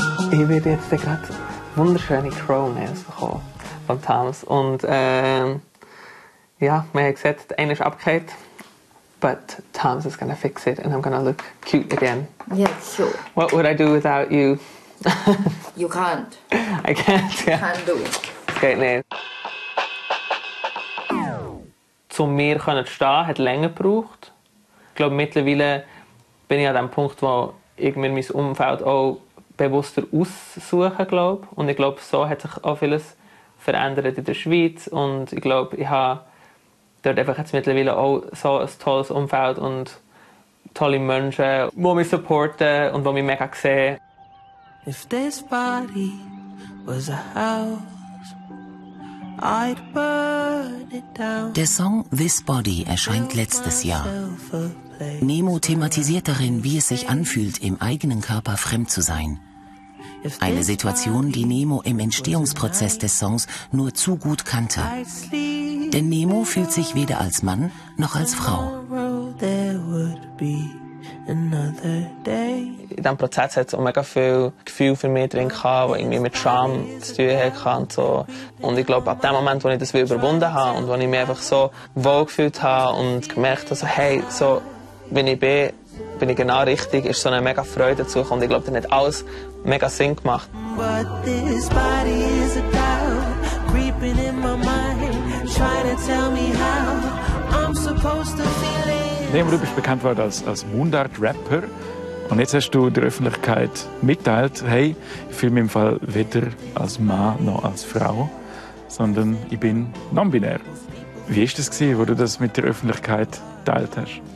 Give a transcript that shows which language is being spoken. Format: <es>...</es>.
<de>Ich werde jetzt gerade wunderschöne Crow-Nails bekommen von Thomas. Und ja, wir haben gesagt, der eine ist abgefallen.</de> <en>But Thomas is gonna fix it and I'm gonna look cute again. Yeah, sure. What would I do without you? You can't. I can't, yeah. Can do.</en> <de>Okay, nein. Um mir zu stehen, hat länger gebraucht. Ich glaube, mittlerweile bin ich an dem Punkt, wo ich mir mein Umfeld auch bewusster aussuche, glaube. Und ich glaube, so hat sich auch vieles verändert in der Schweiz. Und ich glaube, ich habe dort einfach jetzt mittlerweile auch so ein tolles Umfeld und tolle Menschen, die mich supporten und die mich mega sehen.</de> <en>If this body was a house, I'd burn it down.</en> <de>Der Song This Body erscheint letztes Jahr. Nemo thematisiert darin, wie es sich anfühlt, im eigenen Körper fremd zu sein. Eine Situation, die Nemo im Entstehungsprozess des Songs nur zu gut kannte. Denn Nemo fühlt sich weder als Mann noch als Frau. In diesem Prozess hat es auch mega viel Gefühl für mich drin gehabt, wo irgendwie mit Scham zu tun hatte. Und, so. Und ich glaube, ab dem Moment, wo ich das überwunden habe und wo ich mich einfach so wohl gefühlt habe und gemerkt habe, also, hey, so wenn ich bin ich genau richtig, ist so eine mega Freude dazu. Und ich glaube, dann hat alles mega Sinn gemacht.</de> <en>But this body is a doubt, creeping in my mind, trying to tell me how I'm supposed to feel it.</en> <de>Nemo, du bist bekannt worden als Mundart-Rapper. Und jetzt hast du der Öffentlichkeit mitgeteilt, hey, ich fühle mich im Fall weder als Mann noch als Frau, sondern ich bin non-binär. Wie war das, als du das mit der Öffentlichkeit geteilt hast?</de>